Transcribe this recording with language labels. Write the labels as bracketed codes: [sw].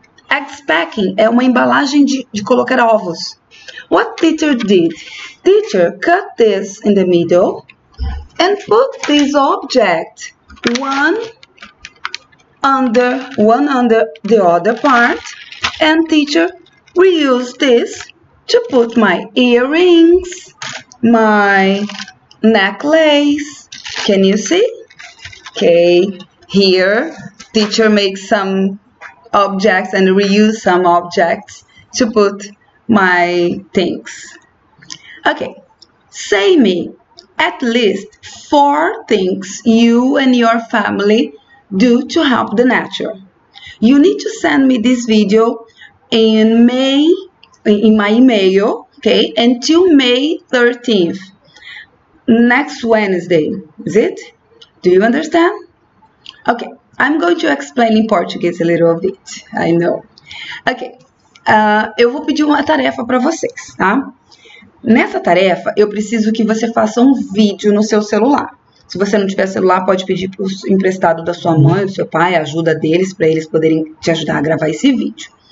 [pt] Eggs packing é uma embalagem de colocar ovos. [en] What teacher did? Teacher cut this in the middle and put this object one under the other part. And teacher reused this to put my earrings, my necklace. Can you see? Okay, here, teacher makes some objects and reuse some objects to put my things. Okay, say me at least 4 things you and your family do to help the nature. You need to send me this video in my email, okay, until May 13th. Next Wednesday, is it? Do you understand? Okay, I'm going to explain in Portuguese a little bit. I know. [pt] Okay, eu vou pedir uma tarefa para vocês, tá? Nessa tarefa, eu preciso que você faça um vídeo no seu celular. Se você não tiver celular, pode pedir para o emprestado da sua mãe, do seu pai, a ajuda deles, para eles poderem te ajudar a gravar esse vídeo.